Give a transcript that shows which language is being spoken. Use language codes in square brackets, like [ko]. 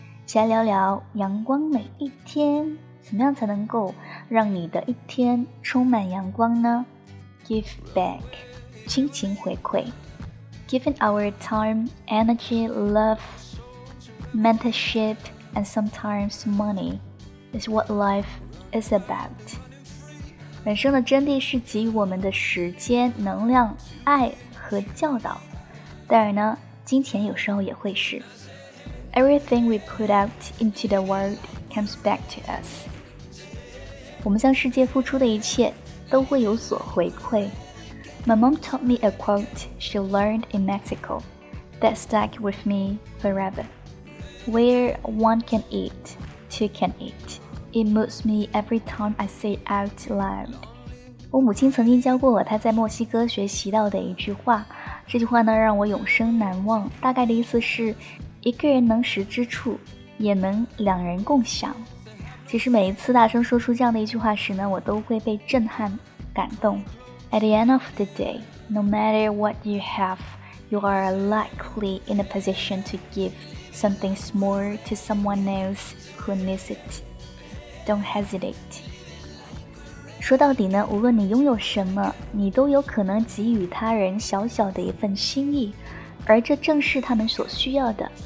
[zh] 先来聊聊阳光每一天，怎么样才能够让你的一天充满阳光呢？ [en] Give back, [zh] 亲情回馈。 [en] Given our time, energy, love, mentorship, and sometimes money is what life is about. [zh] 人生的真谛是给予我们的时间、能量、爱和教导。当然呢，金钱有时候也会是。 [en] Everything we put out into the world comes back to us. [zh] 我们向世界付出的一切都会有所回馈。 [en] My mom taught me a quote she learned in Mexico that stuck with me forever. Where one can eat, two can eat. It moves me every time I say it out loud. [zh] 我母亲曾经教过我她在墨西哥学习到的一句话，这句话呢让我永生难忘，大概的意思是一个人能食之处也能两人共享。其实每一次大声说出这样的一句话时呢，我都会被震撼感动。 [en] At the end of the day, no matter what you have, you are likely in a position to give something small to someone else who needs it. Don't hesitate. [zh] 说到底呢，无论你拥有什么，你都有可能给予他人小小的一份心意，而这正是他们所需要的。